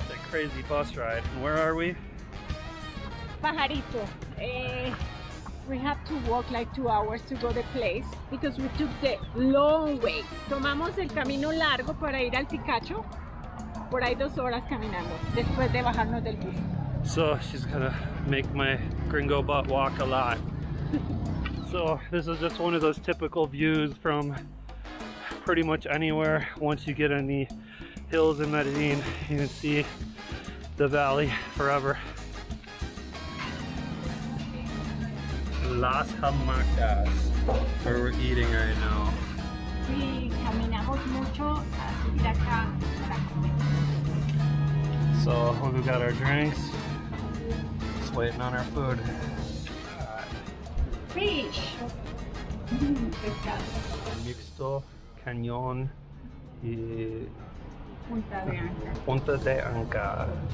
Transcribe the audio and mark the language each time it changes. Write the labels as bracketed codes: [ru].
[en] Crazy bus ride. Where are we? Pajarito. We have to walk like 2 hours to go to the place because we took the long way. [es] Tomamos el camino largo para ir al Picacho. Por ahí 2 horas caminando después de bajarnos del bus. [en] So she's gonna make my gringo butt walk a lot. So this is just one of those typical views from pretty much anywhere. Once you get in the hills in Medellin, you can see the valley forever. [es] Las hamacas, [en] where we're eating right now. [es] Sí, caminamos mucho a subir acá para comer. [en] So we've got our drinks, just waiting on our food. Fish. [es] Mixto, cañón y punta de anca.